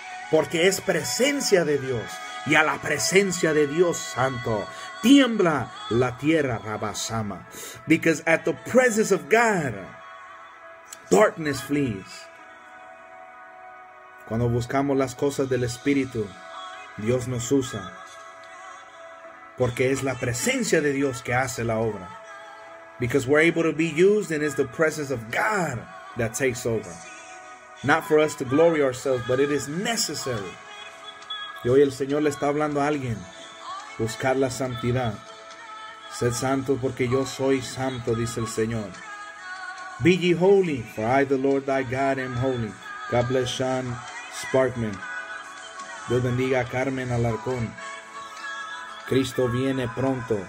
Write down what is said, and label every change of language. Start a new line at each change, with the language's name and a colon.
Spanish: Porque es presencia de Dios. Y a la presencia de Dios Santo, tiembla la tierra, Rabasama.
English: Because at the presence of God, darkness flees.
Spanish: Cuando buscamos las cosas del Espíritu, Dios nos usa. Porque es la presencia de Dios que hace la obra.
English: Because we're able to be used, and it's the presence of God that takes over. Not for us to glory ourselves, but it is necessary.
Spanish: Y hoy el Señor le está hablando a alguien. Buscar la santidad. Sed santos porque yo soy santo, dice el Señor.
English: Be ye holy, for I the Lord thy God am holy. God bless Sean Sparkman.
Spanish: Dios bendiga a Carmen Alarcón. Cristo viene pronto.